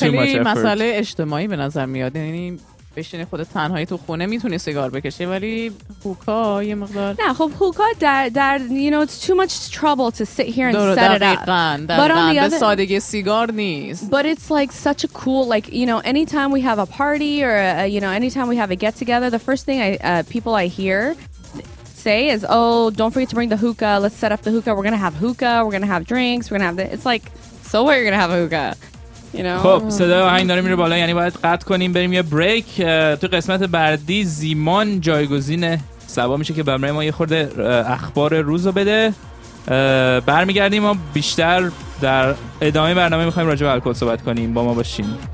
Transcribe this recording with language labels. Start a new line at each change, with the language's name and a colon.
Persian: خیلی مسئله اجتماعی به نظر میاد. یعنی بشینی خودت تنهایی تو خونه میتونی سیگار بکشی، ولی هوکا یه مقدار. نه خب هوکا در
English: you know it's too much trouble to sit here and set it up. But on the other
Persian: به سادگی سیگار نیست.
English: But it's like such a cool like you know anytime we have a party or you know anytime we have a get together, the first thing people I hear. Say is oh don't forget to bring the hookah, let's set up the hookah, we're gonna have hookah, we're gonna have drinks, we're gonna have it's like so what you're gonna have a hookah you know.
Persian: خب صدا آهنگ داره میره بالا، یعنی باید قطع کنیم بریم یه بریک. تو قسمت بعدی زیمان جایگزین سبا میشه که برای ما یه خورده اخبار روز رو بده. برمیگردیم، ما بیشتر در ادامه برنامه میخوایم راجع به الکل صحبت کنیم، با ما باشین.